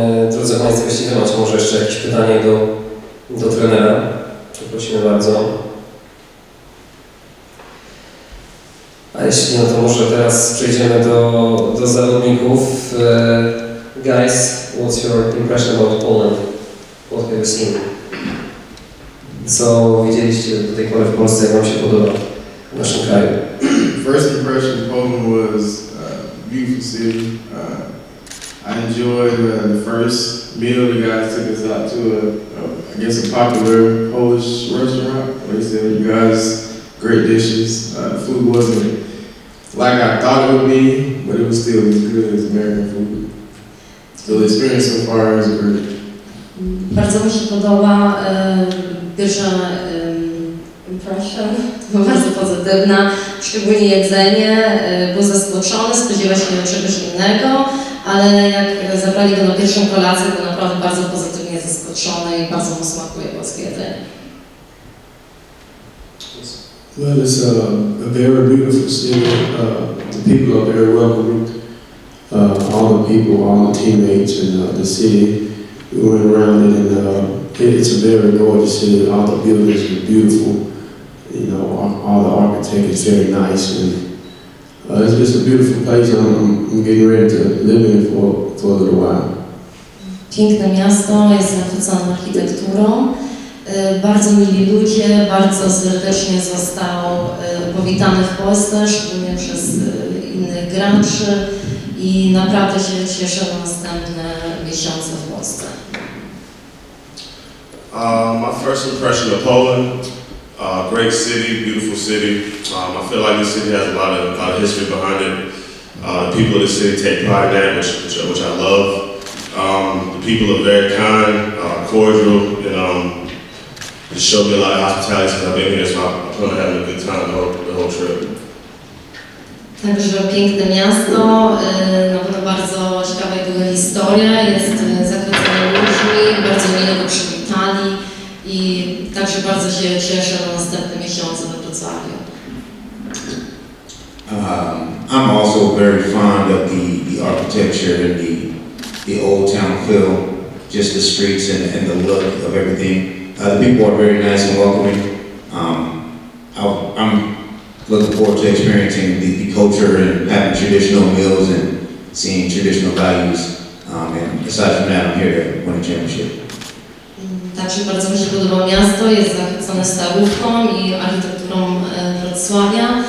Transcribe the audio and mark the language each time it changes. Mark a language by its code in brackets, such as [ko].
[pl] Drodzy Państwo, jeśli nie macie może jeszcze jakieś pytanie do trenera, przeprosimy bardzo. A jeśli no to może teraz przejdziemy do zawodników. [en] Guys, what's your impression about Poland? What have you seen? [pl] Co widzieliście do tej pory w Polsce, jak wam się podoba w naszym kraju? [en] First impression of Poland was beautiful city. I enjoyed the first meal the guys took us out to a popular Polish restaurant. Like I said, you guys, great dishes. The food wasn't like I thought it would be, but it was still as good as American food. So the experience so far is great. [pl] Bardzo mi się podoba pierwsza [en] impression. [pl] To bardzo pozytywna. Szczególnie jedzenie. Był zaskoczony, spodziewa się czegoś innego, ale jak zabrali go na pierwszą kolację, to naprawdę bardzo pozytywnie zaskoczony i bardzo mu smakuje polskie jedzenie. [en] Well, it's a very beautiful city. The people are very welcoming. All the people, all the teammates and the city. We went around it and it's a very gorgeous city. All the buildings are beautiful. You know, all the architecture is very nice. And it's just a beautiful place. I'm getting ready to live in for a little while. [pl] Piękne miasto, jest zachwycona architekturą. Bardzo mili ludzie, bardzo serdecznie został powitany w Polsce, szczególnie przez innych graczy i naprawdę się cieszę na następne miesiące w Polsce. [en] My first impression of Poland, great city, beautiful city. I feel like this city has a lot of history behind it. The people of the city take pride in that, which I love. The people are very kind, cordial, and it showed me a lot of hospitality since I've been here, so I'm having a good time the whole trip. [pl] Także piękne miasto, na pewno bardzo ciekawa jego historia, jest zachwycony ludźmi, bardzo mile go przywitali i także bardzo się cieszę na następne miesiące we Wrocławiu. [en] I'm also very fond of the architecture and the old town feel, just the streets and the look of everything. The people are very nice and welcoming. I'm looking forward to experiencing the culture and having traditional meals and seeing traditional values. And aside from that, I'm here to win a championship. [pl] Także bardzo mi się podoba miasto, jest zachwycone stałówką i architekturą Wrocławia.